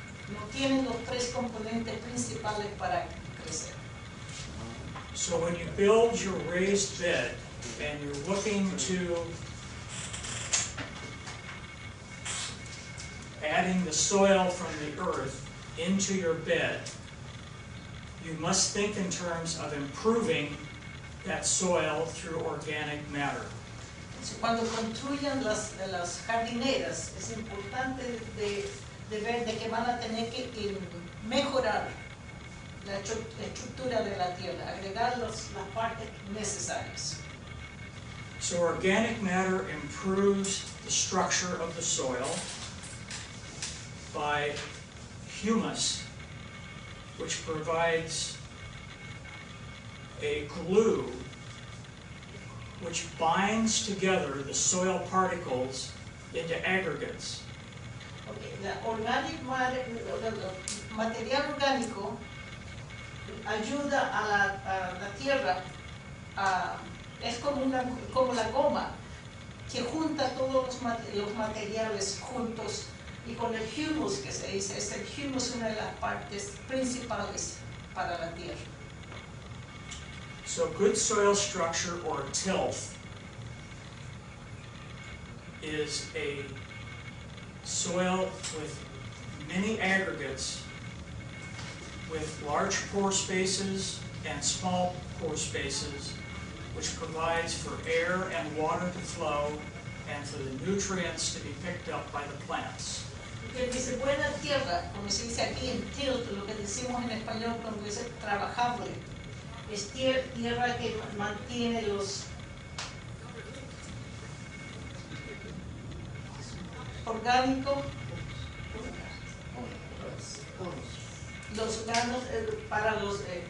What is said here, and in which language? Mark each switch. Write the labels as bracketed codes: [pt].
[es] No tienen los tres componentes principales para crecer. [en] So when you build your raised bed and you're looking to adding the soil from the earth into your bed, you must think in terms of improving that soil through organic matter. [es] Cuando construyan las jardineras, es importante de ver de que van a tener que mejorar la estructura de la tierra, agregar las partes necesarias. [en] So organic matter improves the structure of the soil by humus, which provides a glue which binds together the soil particles into aggregates. Okay, the organic material [es] orgánico ayuda a la tierra, es como la goma que junta todos los materiales juntos. Y con el humus, que se dice, es el humus una de las partes principales para la tierra. [en] So good soil structure, or tilth, is a soil with many aggregates with large pore spaces and small pore spaces, which provides for air and water to flow and for the nutrients to be picked up by the plants. [es] Que dice buena tierra, como se dice aquí en tilt, lo que decimos en español cuando dice trabajable, es tierra que mantiene los orgánicos, los granos para los.